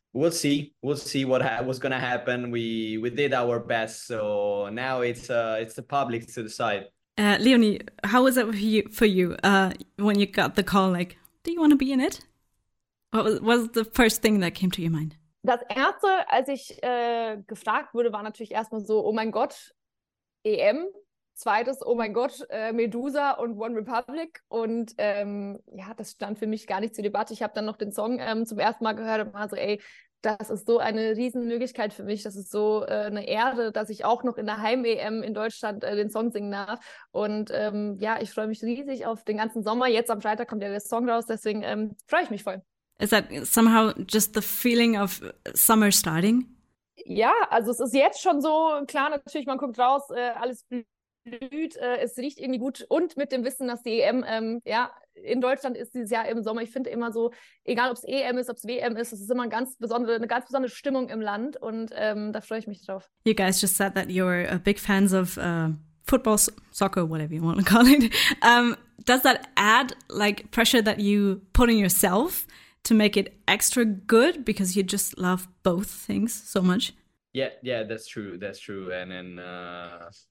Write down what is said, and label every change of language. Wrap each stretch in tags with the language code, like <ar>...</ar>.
<en>We'll see what's gonna happen. We did our best, so now it's the public to decide. Leonie, how was it for you when you got the call? Like, do you want to be in it? What was the first thing that came to your mind?</en> <de>Das erste, als ich gefragt wurde, war natürlich erstmal so, oh mein Gott, EM. Zweites, oh mein Gott, Medusa und One Republic. Und das stand für mich gar nicht zur Debatte. Ich habe dann noch den Song zum ersten Mal gehört und war so, ey, das ist so eine Riesenmöglichkeit für mich. Das ist so eine Ehre, dass ich auch noch in der Heim-EM in Deutschland den Song singen darf. Und ich freue mich riesig auf den ganzen Sommer. Jetzt am Freitag kommt ja der Song raus, deswegen freue ich mich voll.</de> <en>Is that somehow just the feeling of summer starting?</en> <de>Ja, also es ist jetzt schon so, klar, natürlich, man guckt raus, alles blüht, es riecht irgendwie gut und mit dem Wissen, dass die EM in Deutschland ist dieses Jahr im Sommer. Ich finde immer so, egal ob es EM ist, ob es WM ist, es ist immer eine ganz besondere Stimmung im Land und da freue ich mich drauf.</de> <en>You guys just said that you're big fans of football, soccer, whatever you want to call it. Does that add like pressure that you put on yourself to make it extra good because you just love both things so much? Yeah, that's true. And then...</en>